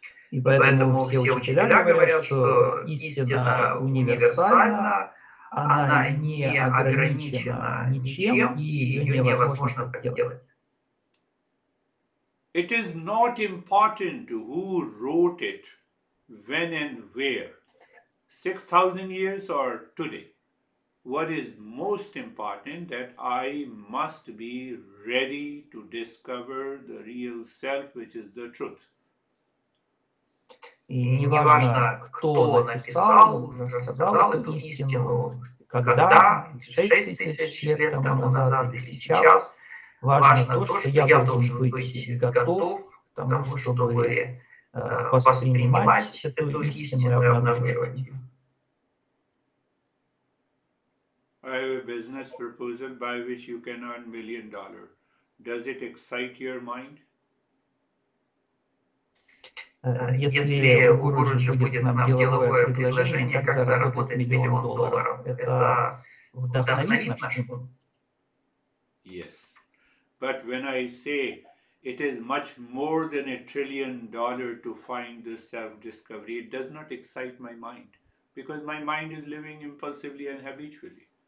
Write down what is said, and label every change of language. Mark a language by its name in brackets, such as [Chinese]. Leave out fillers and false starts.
[Russian] И поэтому все учителя говорят, что истина универсальна, она не ограничена ничем, и ее невозможно подделать. [English] It is not important who wrote it, when and where. 6,000 years or today. What is most important that I must be ready to discover the real self, which is the truth. [Russian] И не важно, кто написал, рассказал эту истину, когда, 6000 лет тому назад и сейчас, важно то, что я должен быть готов к тому, чтобы воспринимать эту истину и обнаруживать ее. [English] I have a business proposal by which you can earn $1 million. Does it excite your mind? [Russian] Если Гуру Джи будет нам деловое предложение, как заработать $1 million, это вдохновит нашу? [English] Yes. But when I say it is much more than $1 trillion to find the self-discovery, it does not excite my mind. Because my mind is living impulsively and habitually.